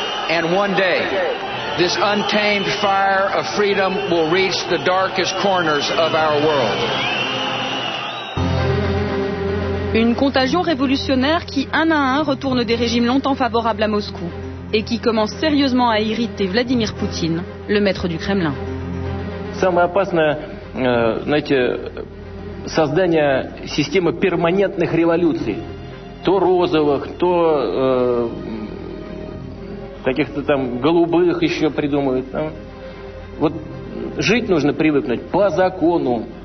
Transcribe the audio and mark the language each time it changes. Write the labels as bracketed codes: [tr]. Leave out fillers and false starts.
[en] And one day, this untamed fire of freedom will reach the darkest corners of our world. [fr] Une contagion révolutionnaire qui, un à un, retourne des régimes longtemps favorables à Moscou et qui commence sérieusement à irriter Vladimir Poutine, le maître du Kremlin. [ru] Самое опасное, знаете, создание системы перманентных революций, то розовых, то каких-то там голубых еще придумывают. Вот жить нужно привыкнуть по закону.